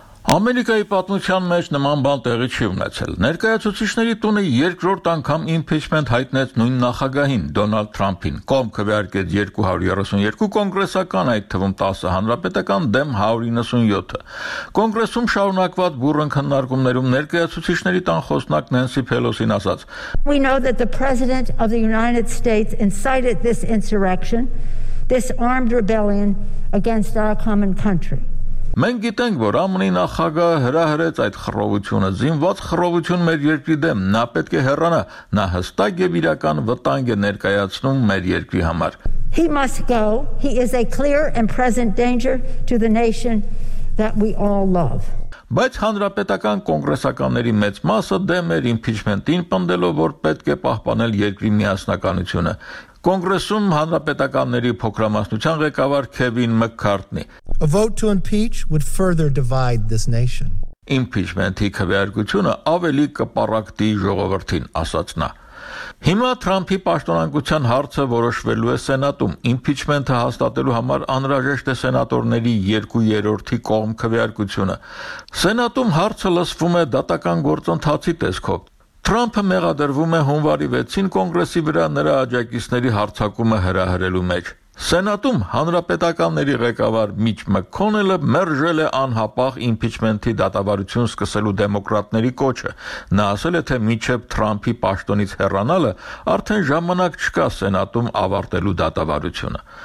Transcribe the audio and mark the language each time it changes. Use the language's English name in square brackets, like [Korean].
[Armenian] Ամերիկայի պատմության մեջ նման բան տեղի չի ունեցել։ Ներկայացուցիչների տունը երկրորդ անգամ իմպիչմենտ հայտնեց նույն նախագահին՝ Դոնալդ Թրամփին։ Կողմ քվեարկեց 232 կոնգրեսական, այդ թվում 10 հանրապետական դեմ 197-ը։ Կոնգրեսում շարունակված բուռն քննարկումներում ներկայացուցիչների տան խոսնակ Նենսի Փելոսին ասաց. [English] We know that the president of the United States incited this insurrection, this armed rebellion against our common country. [Armenian] Մենք գիտենք, որ ԱՄՆ-ի նախագահը հրահրեց այդ խռովությունը, զինված խռովություն մեր երկրի դեմ, նա պետք է հեռանա, նա հստակ եւ իրական վտանգ է ներկայացնում մեր երկրի համար։ [English] He must go. He is a clear and present danger to the nation that we all love. [Armenian] Բայց հանրապետական կոնգրեսականների մեծ մասը դեմ էր իմպիչմենտին, պնդելով, որ պետք է պահպանել երկրի միասնականությունը։ Կոնգրեսում հանրապետականների փոքրամասնության ղեկավար Քևին Մեքքարթնի. [English] A vote to impeach would further divide this nation. [Armenian] Իմպիչմենթի քվեարկությունը ավելի կպառակտի ժողովրդին, ասաց նա։ Հիմա Թրամփի պաշտոնակության հարցը որոշվելու է Սենատում։ Իմպիչմենթը հաստատելու համար անհրաժեշտ է սենատորների 2/3 կողմ քվեարկությունը։ Սենատում հարցը լսվում է դատական գործընթացի տեսքով։ Թրամփը մեղադրվում է հունվարի 6-ին կոնգրեսի վրա նրա աջակիցների հարցակումը հրահրելու մեջ։ Սենատում հանրապետականների ղեկավար Միչ Մեքքոնելը մերժել է անհապաղ իմպիչմենթի դատավարություն սկսելու դեմոկրատների կոչը։ Նա ասել է, թե մինչև Թրամփի պաշտոնից հեռանալը արդեն ժամանակ չկա Սենատում ավարտելու դատավարությունը։